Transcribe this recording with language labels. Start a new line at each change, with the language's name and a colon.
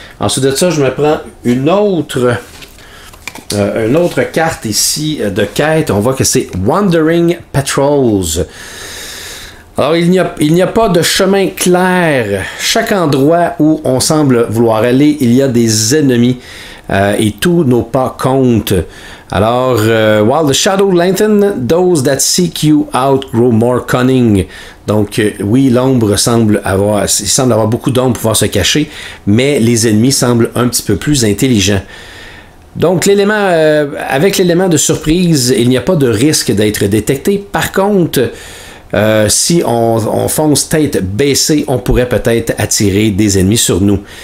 French: Ensuite de ça, je me prends une autre carte ici de quête. On voit que c'est Wandering Patrols. Alors, il n'y a pas de chemin clair. Chaque endroit où on semble vouloir aller, il y a des ennemis et tous nos pas comptent.
English: Alors, while the shadow lengthens, those that seek you out grow more cunning.
French: Donc, oui, l'ombre semble avoir beaucoup d'ombre pour pouvoir se cacher, mais les ennemis semblent un petit peu plus intelligents. Donc, l'élément, avec l'élément de surprise, il n'y a pas de risque d'être détecté. Par contre, si on fonce tête baissée, on pourrait peut-être attirer des ennemis sur nous.